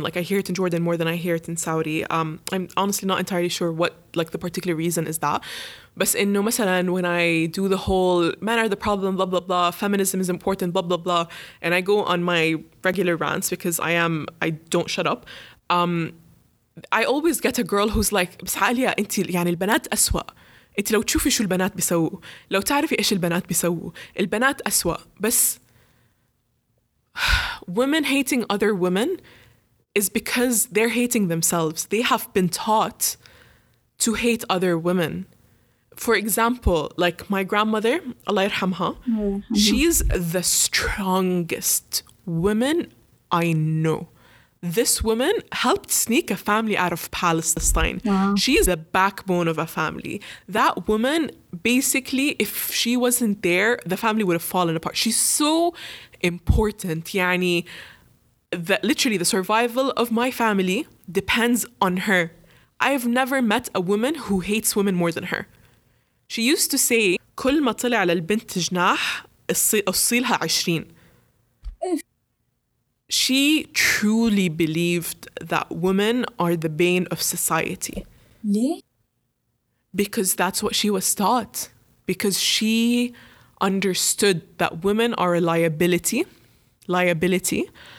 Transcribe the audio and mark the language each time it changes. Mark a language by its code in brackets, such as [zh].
[en] Like, I hear it in Jordan more than I hear it in Saudi. I'm honestly not entirely sure what, like, the particular reason is that. But in no masalan, when I do the whole men are the problem, blah, blah, blah, feminism is important, blah, blah, blah, and I go on my regular rants because I don't shut up. I always get a girl who's like, [ar] بس عاليا انت يعني البنات أسوأ. انت لو تشوفي شو البنات بيسووا. لو تعرفي ايش البنات بيسووا. البنات أسوأ. بس [en] women hating other women is because they're hating themselves. They have been taught to hate other women. For example, like my grandmother, [ar] Allah yarhamha, [en] she's the strongest woman I know. This woman helped sneak a family out of Palestine. Wow. She is the backbone of a family. That woman, basically, if she wasn't there, the family would have fallen apart. She's so important. Yani, that literally the survival of my family depends on her. I have never met a woman who hates women more than her. She used to say, [ar] كل ما طلع على البنت جناح أصيلها عشرين. [en] She truly believed that women are the bane of society. Why? Because that's what she was taught. Because she understood that women are a liability. Liability.